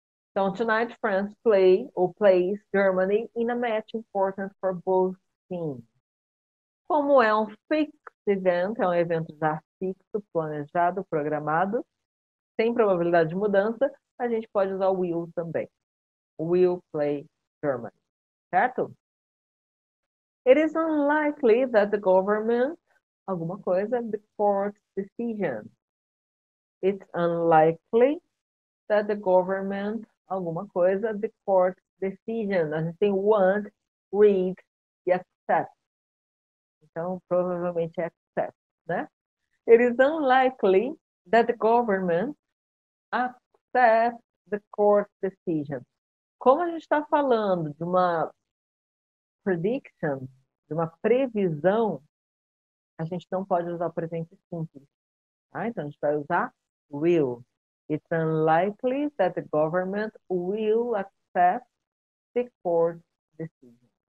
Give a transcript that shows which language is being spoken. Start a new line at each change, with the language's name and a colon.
English: Então, tonight France play ou plays Germany in a match important for both teams.
Portuguese: Como é um fixed event, é um evento já fixo, planejado, programado, sem probabilidade de mudança, a gente pode usar o will também.
English: Will play Germany, certo? It is unlikely that the government
Portuguese: alguma coisa,
English: the court's decision. It's unlikely that the government,
Portuguese: alguma coisa,
English: the court's decision.
Portuguese: A gente tem want, read e accept. Então, provavelmente é accept, né?
English: It is unlikely that the government accept the court's decision.
Portuguese: Como a gente está falando de uma prediction, de uma previsão, a gente não pode usar o presente simples. Tá? Então, a gente vai usar will.
English: It's unlikely that the government will accept the court's decision.